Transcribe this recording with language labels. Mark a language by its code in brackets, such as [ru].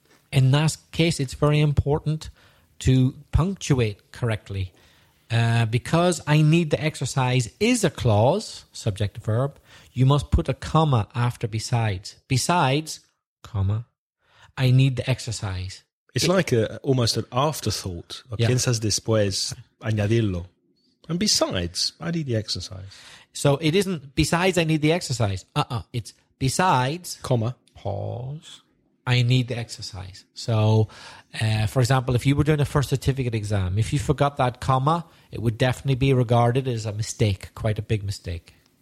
[en] In that case, it's very important to punctuate correctly, because I need the exercise is a clause, subject verb, you must put a comma after besides. Besides, comma, I need the exercise. It's like almost an afterthought. Yeah. [es] Piensas después añadirlo. [en] And besides, I need the exercise. So it isn't besides I need the exercise. It's besides, comma, pause, I need the exercise. So, for example, if you were doing a first certificate exam, if you forgot that comma, it would definitely be regarded as a mistake, quite a big mistake.